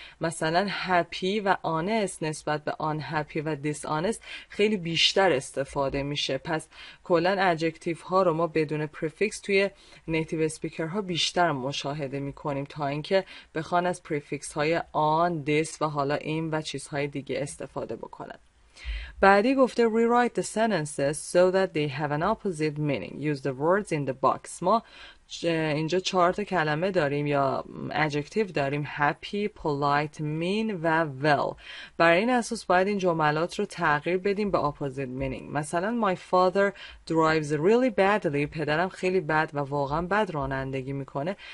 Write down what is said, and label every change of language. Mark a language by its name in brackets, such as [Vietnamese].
[Persian] مثلا happy و honest نسبت به unhappy و dishonest خیلی بیشتر استفاده میشه. پس کلن adjective ها رو ما بدون prefix توی native speaker ها بیشتر مشاهده میکنیم تا اینکه بخوان از prefix های on، this و حالا این و چیزهای دیگه استفاده بکنن. بعدی گفته [English] rewrite the sentences so that they have an opposite meaning. Use the words in the box. [Persian] ما اینجا چهار تا کلمه داریم یا adjective داریم: happy، polite، mean و well. برای این اساس باید این جملات رو تغییر بدیم به opposite meaning. مثلا [English] my father drives really badly، [Persian] پدرم خیلی بد و واقعا بد رانندگی میکنه.